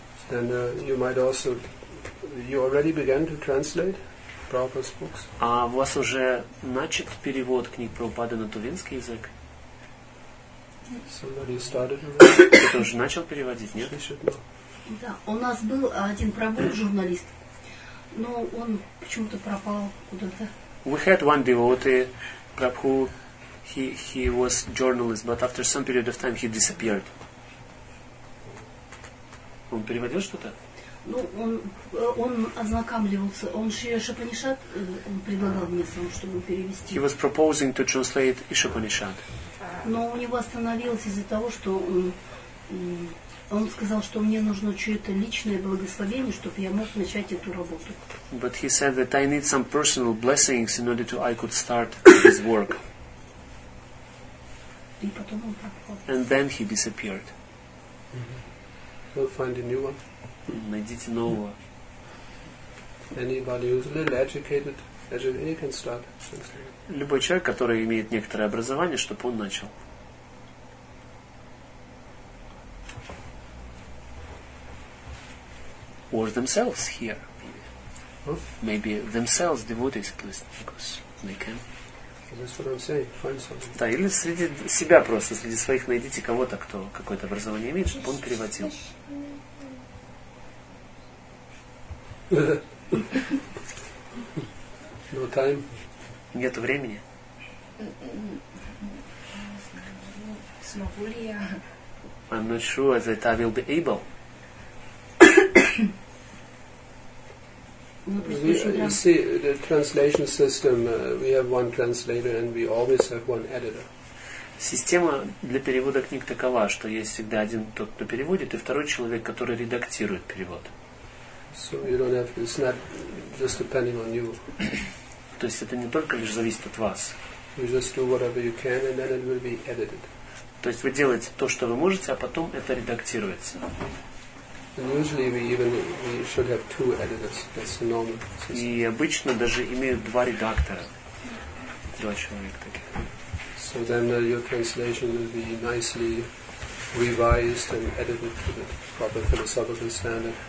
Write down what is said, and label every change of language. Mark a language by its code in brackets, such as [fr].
[en] Then you might also, you already began to translate Prabhupada's books. [ru] А у вас уже начат перевод книг Прабхупады на тувинский язык? [en] Somebody started already. [ru] Кто-то уже начал переводить, нет? Да, у нас был один Прабху журналист, но он почему-то пропал куда-то. [en] We had one devotee, Prabhu, he was journalist, but after some period of time he disappeared. [ru] Он переводил что-то? Ну, он ознакомливался, он Шри Панишат, он предлагал мне сам, чтобы перевести. [en] He was proposing to translate Шри Панишат. [ru] Но у него остановилось из-за того, что он сказал, что мне нужно чье-то личное благословение, чтобы я мог начать эту работу. [en] But he said that I need some personal blessings in order to I could start his work. [ru] И потом он пропал. [en] And then he disappeared. Mm-hmm. We'll find a new one. [ru] Найдите нового. [en] Anybody who's a little educated, educated can start. [ru] Любой человек, который имеет некоторое образование, чтобы он начал. [en] Or themselves here. Maybe themselves devotees at least, because they can. That's what I'm saying. Find something. [ru] Да, или среди себя просто, среди своих найдите кого-то, кто какое-то образование имеет, чтобы он переводил. [en] No time. [ru] Нет времени. Смогу ли я? [en] I'm not sure that I will be able. You see, the translation system, we have one translator and we always have one editor. [ru] Система для перевода книг такова, что есть всегда один тот, кто переводит, и второй человек, который редактирует перевод. [en] So you don't have, it's not just depending on you. [ru] То есть это не только лишь зависит от вас. [en] You just do whatever you can and then it will be edited. [ru] То есть вы делаете то, что вы можете, а потом это редактируется. [en] And usually we should have two editors. That's the normal system. [ru] И обычно даже имеют два редактора. Два человека таких. [en] So then your translation will be nicely revised and edited to the proper philosophical standard.